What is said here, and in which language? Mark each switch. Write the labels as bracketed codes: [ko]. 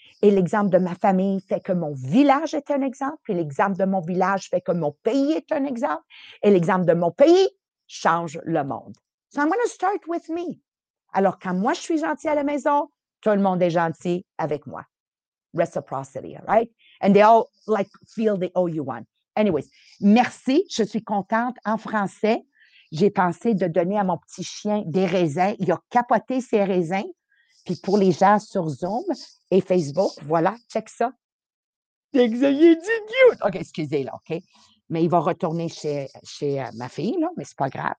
[fr] Et l'exemple de ma famille fait que mon village est un exemple. Et l'exemple de mon village fait que mon pays est un exemple. Et l'exemple de mon pays change le monde. [en] So I'm going to start with me. [fr] Alors, quand moi, je suis gentille à la maison, tout le monde est gentil avec moi. [en] Reciprocity, right? And they all like feel they owe you one. [fr] Anyways, merci. Je suis contente. En français, j'ai pensé de donner à mon petit chien des raisins. Il a capoté ses raisins. Puis pour les gens sur Zoom et Facebook, voilà, check ça. OK, excusez-le, OK? Mais il va retourner chez ma fille, là, mais c'est pas grave.